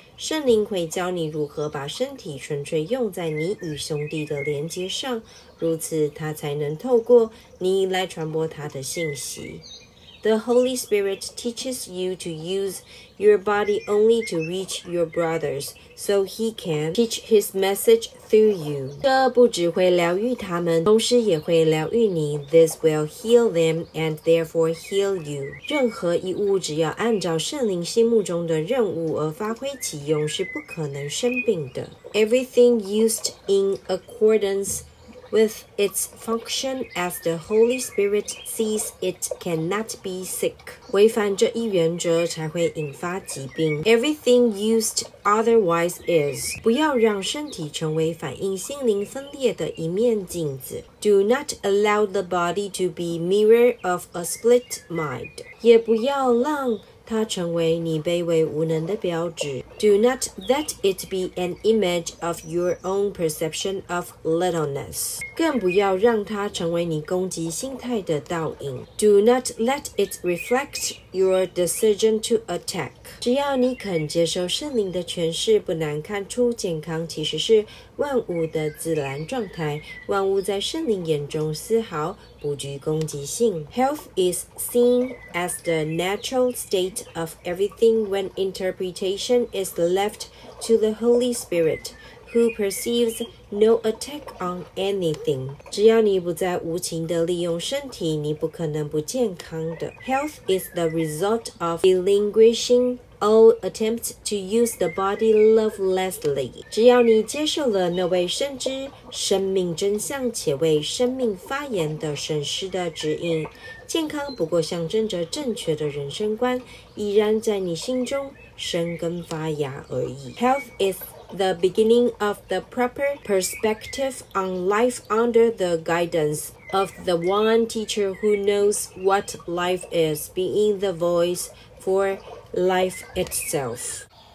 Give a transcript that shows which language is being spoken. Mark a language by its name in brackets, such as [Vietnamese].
[Chinese] 圣灵会教你如何把身体纯粹用在你与兄弟的连接上，如此他才能透过你来传播他的信息。 [English] The Holy Spirit teaches you to use your body only to reach your brothers, so he can teach his message through you. [Chinese] 这不只会疗愈他们，同时也会疗愈你。 [English] This will heal them and therefore heal you. [Chinese] 任何一物只要按照圣灵心目中的任务而发挥其用，是不可能生病的。 [English] Everything used in accordance with its function as the Holy Spirit sees it cannot be sick. [Chinese] 违反这一原则才会引发疾病。 [English] Everything used otherwise is. [Chinese] 不要让身体成为反映心灵分裂的一面镜子。 [English] Do not allow the body to be mirror of a split mind. [Chinese] 也不要让它成为你卑微无能的标志。 [English] Do not let it be an image of your own perception of littleness. [Chinese] 更不要让它成为你攻击心态的倒影。 [English] Do not let it reflect your decision to attack. [Chinese] 只要你肯接受圣灵的诠释，不难看出健康其实是万物的自然状态，万物在圣灵眼中丝毫不具攻击性。 [English] Health is seen as the natural state of everything when interpretation is left to the Holy Spirit, who perceives no attack on anything. [Chinese] 只要你不再无情地利用身体，你不可能不健康的。 [English] Health is the result of relinquishing all attempts to use the body lovelessly. [Chinese] 只要你接受了那位深知生命真相且为生命发言的神师的指引，健康不过象征着正确的人生观依然在你心中生根发芽而已。 [English] Health is the beginning of the proper perspective on life under the guidance of the one teacher who knows what life is, being the voice for life itself.